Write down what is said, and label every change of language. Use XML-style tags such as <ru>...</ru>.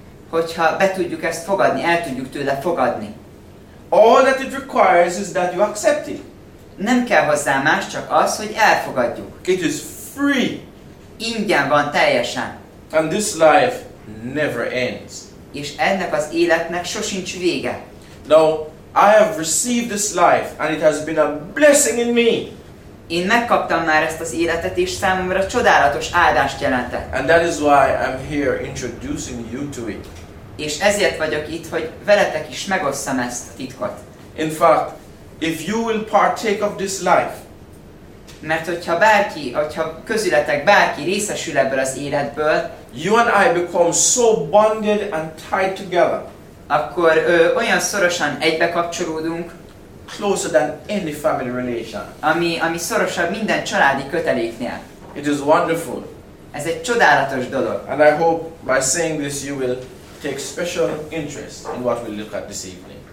<hu>Hogyha be tudjuk ezt fogadni, el tudjuk tőle fogadni.</hu> <en>All that it requires is that you accept it.</en> <hu>Nem kell hozzá más, csak az, hogy elfogadjuk.</hu> <en>It is free.</en> <hu>Ingyen van teljesen.</hu> <en>And this life never ends.</en> <hu>És ennek az életnek sosincs vége.</hu> <en>Now, I have received this life and it has been a blessing in me.</en> <hu>Én megkaptam már ezt az életet, és számomra csodálatos áldást jelentett.</hu> <en>And that is why I'm here introducing you to it.</en> <hu>És ezért vagyok itt, hogy veletek is megosszam ezt a titkot.</hu> <en>In fact, if you will partake of this life,</en> <hu>mert hogyha közületek bárki részesül ebből az életből,</hu> <en>you and I become so bonded and tied together,</en> <hu>akkor olyan szorosan egybe kapcsolódunk,</hu> <en>closer than any family relation.</en> <hu>Ami szorosabb minden családi köteléknél.</hu> <en>It is wonderful.</en> <hu>Ez egy csodálatos dolog.</hu> <en>And I hope by saying this you will take special interest in what we look at this evening.</en>